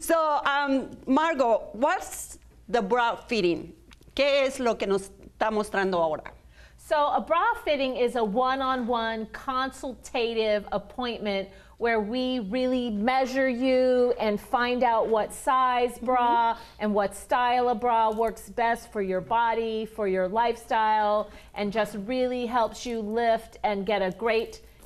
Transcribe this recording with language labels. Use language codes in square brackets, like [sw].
[en] So, Margot, what's the bra fitting? [es] ¿Qué es lo que nos está mostrando ahora? [en] So, a bra fitting is a one-on-one consultative appointment where we really measure you and find out what size bra and what style of bra works best for your body, for your lifestyle, and just really helps you lift and get a great